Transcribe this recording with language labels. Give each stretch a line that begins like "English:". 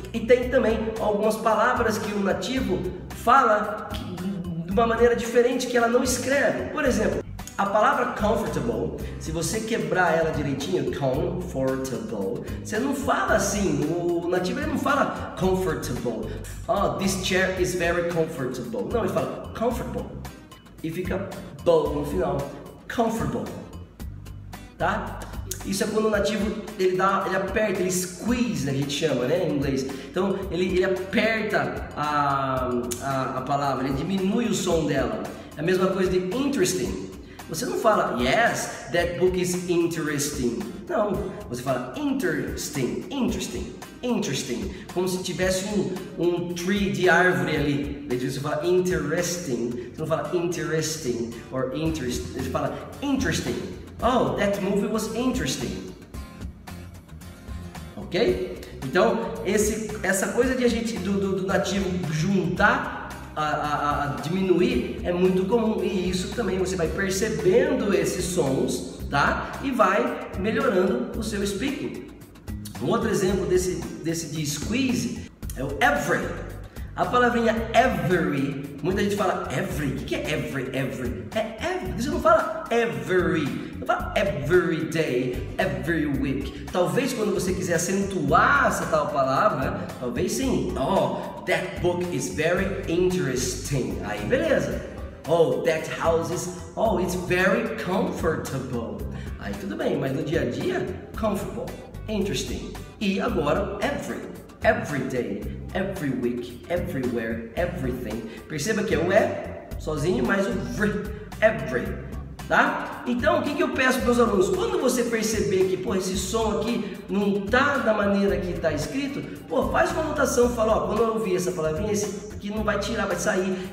Portuguese: E tem também algumas palavras que o nativo fala de uma maneira diferente que ela não escreve. Por exemplo... A palavra comfortable, se você quebrar ela direitinho, comfortable, você não fala assim, o nativo ele não fala comfortable.
English: Oh, this chair is very comfortable.
Portuguese: Não, ele fala comfortable. E fica bom no final. Comfortable. Tá? Isso é quando o nativo, ele aperta, ele squeeze, né, a gente chama, né, em inglês. Então, ele aperta a palavra, ele diminui o som dela. É a mesma coisa de interesting. Você não fala,
English: yes, that book is interesting.
Portuguese: Não, você fala interesting, interesting, interesting. Como se tivesse um tree de árvore ali. Você fala interesting, você não fala interesting or interesting. Você fala interesting.
English: Oh, that movie was interesting. Ok?
Portuguese: Então, essa coisa de a gente, do nativo juntar, a diminuir é muito comum e isso também você vai percebendo esses sons, tá? E vai melhorando o seu speaking. Um outro exemplo desse de squeeze é o every. A palavrinha every, muita gente fala every. O que é every? Every é every. Você não fala every, não fala
English: every day, every week.
Portuguese: Talvez quando você quiser acentuar essa tal palavra, talvez sim.
English: Oh, that book is very interesting.
Portuguese: Aí, beleza.
English: Oh, that house is, oh, it's very comfortable.
Portuguese: Aí, tudo bem, mas no dia a dia, comfortable, interesting. E agora,
English: every. Every day, every week, everywhere, everything.
Portuguese: Perceba que é o E sozinho, mais o V, every. Tá? Então, o que eu peço para os alunos? Quando você perceber que, pô, esse som aqui não tá da maneira que está escrito, pô, faz uma anotação, fala, ó, quando eu ouvir essa palavrinha, esse aqui não vai tirar, vai sair.